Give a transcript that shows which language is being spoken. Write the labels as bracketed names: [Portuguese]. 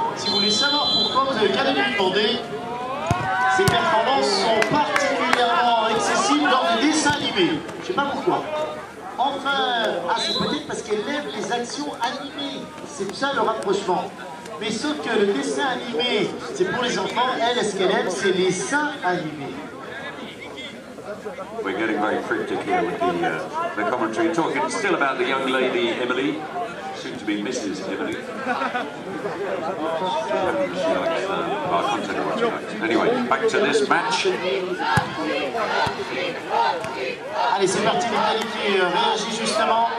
[French] Si vous voulez savoir pourquoi, vous avez qu'à lui demander. Ses performances sont particulièrement accessibles dans les dessins animés. Je sais pas pourquoi. Enfin, ah, c'est peut-être parce qu'elle aime les actions animées. C'est ça le rapprochement. Mais sauf que le dessin animé, c'est pour les enfants, elle, ce qu'elle aime, c'est les seins animés. [English] We're getting very cryptic here with the commentary, talking still about the young lady Emily, soon to be Mrs. Emily. She likes, well, I can't tell you what she likes. Anyway, back to this match. [French] Allez, c'est parti, l'Italie qui réagit justement.